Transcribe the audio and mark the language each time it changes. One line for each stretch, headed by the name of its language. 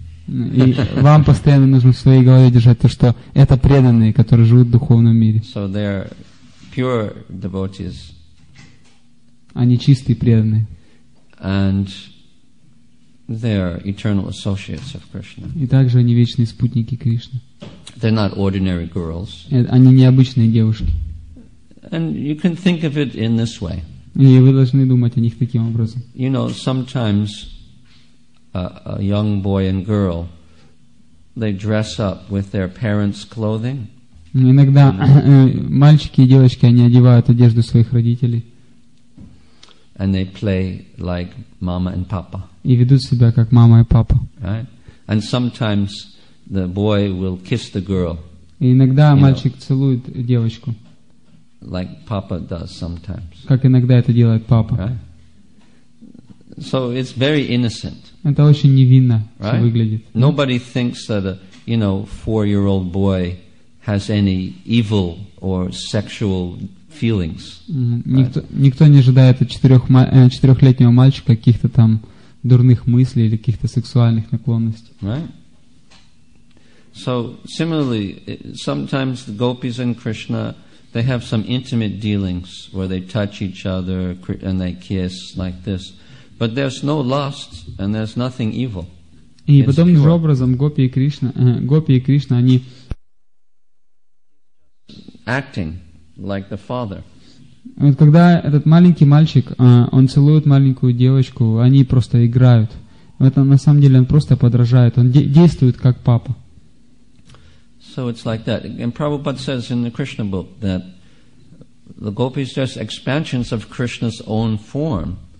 Russian: И вам постоянно нужно в своей голове держать то, что это преданные, которые живут в духовном мире.
English: So they're pure devotees.
Russian: Они чистые преданные.
English: And they're eternal associates of Krishna.
Russian: И также они вечные спутники Кришны.
English: They're not ordinary girls.
Russian: Они не обычные девушки.
English: And you can think of it in this way.
Russian: И вы должны думать о них таким образом.
English: You know, sometimes a young boy and girl, they dress up with their parents' clothing.
Russian: Иногда мальчики и девочки они одевают одежду своих родителей.
English: And they play like mama and papa.
Russian: И ведут себя как мама и папа.
English: Right? And sometimes the boy will kiss the girl.
Russian: И иногда мальчик целует девочку.
English: Like papa does sometimes.
Russian: Как иногда это делает папа.
English: So it's very innocent.
Russian: Это очень невинно все выглядит.
English: Nobody thinks that a, you know, 4-year-old boy has any evil or sexual feelings.
Russian: Никто не ожидает от 4-летнего мальчика каких-то там дурных мыслей или каких-то сексуальных наклонностей.
English: Right. So similarly, sometimes the gopis and Krishna, they have some intimate dealings where they touch each other and they kiss like this. But there's no lust and there's nothing evil.
Russian: И потом же образом гопи и Кришна они
English: acting like the father.
Russian: Вот когда этот маленький мальчик, он целует маленькую девочку, они просто играют. Это на самом деле он просто подражает, он действует как папа.
English: So it's like that. And Prabhupada says in the Krishna book that the gopis are just expansions of Krishna's own form.